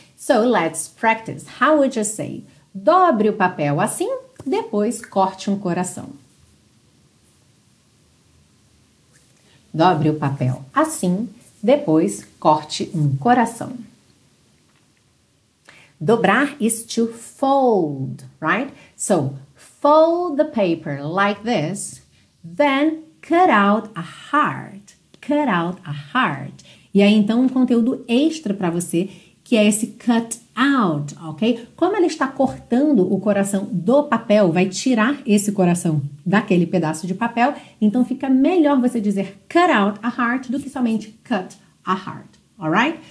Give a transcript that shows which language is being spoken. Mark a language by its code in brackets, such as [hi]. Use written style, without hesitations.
[en] So, let's practice. How would you say? [pt] Dobre o papel assim, depois corte um coração. Dobre o papel assim, depois corte um coração. [en] Dobrar is to fold, right? So, fold the paper like this, then cut out a heart. Cut out a heart. [pt] E aí, então, um conteúdo extra para você, que é esse cut out, ok? Como ele está cortando o coração do papel, vai tirar esse coração daquele pedaço de papel, então fica melhor você dizer [en] cut out a heart [pt] do que somente [en] cut a heart, [pt] alright?